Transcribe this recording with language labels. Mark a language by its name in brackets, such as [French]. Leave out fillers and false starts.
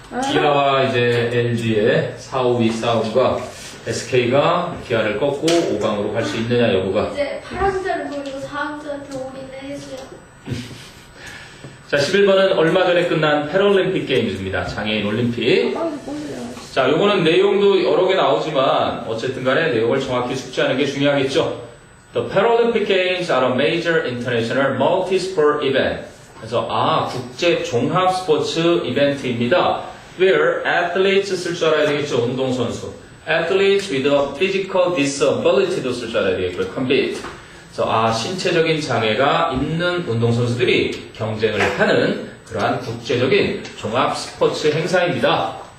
[Korean] 기아와 이제 LG의 4, 5위 싸움과 SK가 기아를 꺾고 5강으로 갈 수 있느냐 여부가. 이제 파란색을 보이고 4강자한테 오기는 해주요. 자, 11번은 얼마 전에 끝난 패럴림픽 게임입니다. 장애인 올림픽. 자, 요거는 내용도 여러 개 나오지만 어쨌든 간에 내용을 정확히 숙지하는 게 중요하겠죠. [English] The Paralympic Games are a major international multi-sport event. [Korean] 그래서 아, 국제 종합 스포츠 이벤트입니다. [English] Where athletes [Korean] 쓸 줄 알아야 되겠죠, 운동선수. [English] Athletes with a physical disability [Korean] 도 쓸 줄 알아야 되겠고요, [English] compete. [Korean] 아, 신체적인 장애가 있는 운동선수들이 경쟁을 하는 그러한 국제적인 종합 스포츠 행사입니다.